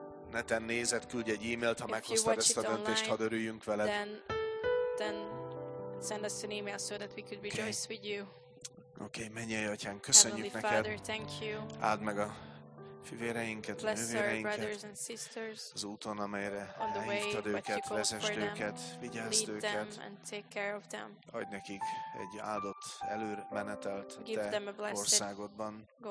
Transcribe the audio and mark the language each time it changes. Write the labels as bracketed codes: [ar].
[hu] Neten nézed, küldj egy e-mailt, ha meghoztad ezt a döntést, hadd örüljünk veled. [en] Then send us an email so that we could rejoice with you. [hu] Okay, mennyei atyánk, köszönjük neked. Áld meg a fivéreinket, a nővéreinket az úton, amelyre elhívtad őket, vezesd őket, vigyázd őket. Adj nekik egy áldott előmenetelt te országodban.